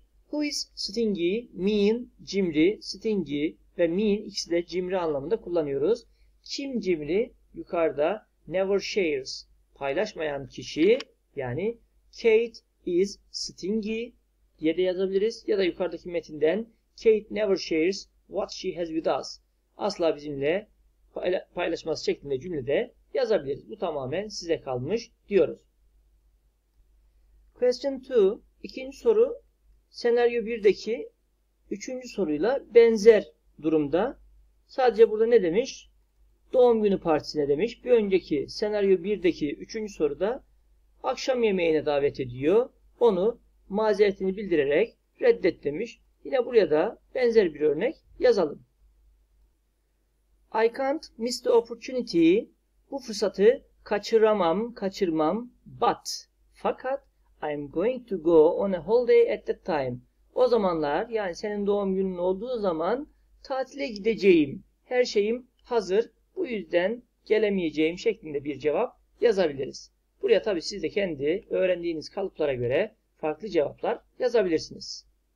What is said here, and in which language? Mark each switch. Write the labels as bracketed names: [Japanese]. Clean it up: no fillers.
[English] Who is stingy, mean, [Turkish] cimri, stingy ve mean ikisi de cimri anlamında kullanıyoruz. Kim cimri? Yukarıda [English] never shares, [Turkish] paylaşmayan kişi, yani [English] Kate is stingy [Turkish] diye de yazabiliriz. Ya da yukarıdaki metinden [English] Kate never shares what she has with us. [Turkish] Asla bizimle paylaşmaz şeklinde cümlede yazabiliriz. Bu tamamen size kalmış diyoruz. [English] Question 2. [Turkish] İkinci soru senaryo 1'deki üçüncü soruyla benzer durumda. Sadece burada ne demiş? Doğum günü partisine demiş. Bir önceki senaryo 1'deki üçüncü soruda akşam yemeğine davet ediyor. Onu mazeretini bildirerek reddet demiş. Yine buraya da benzer bir örnek yazalım. [English] I can't miss the opportunity. [Turkish] Bu fırsatı kaçırmam. [English] But, fakat I'm going to go on a holiday at that time. [Turkish] O zamanlar, yani senin doğum günün olduğu zaman tatile gideceğim. Her şeyim hazır. Bu yüzden gelemeyeceğim şeklinde bir cevap yazabiliriz. Buraya tabii siz de kendi öğrendiğiniz kalıplara göre farklı cevaplar yazabilirsiniz.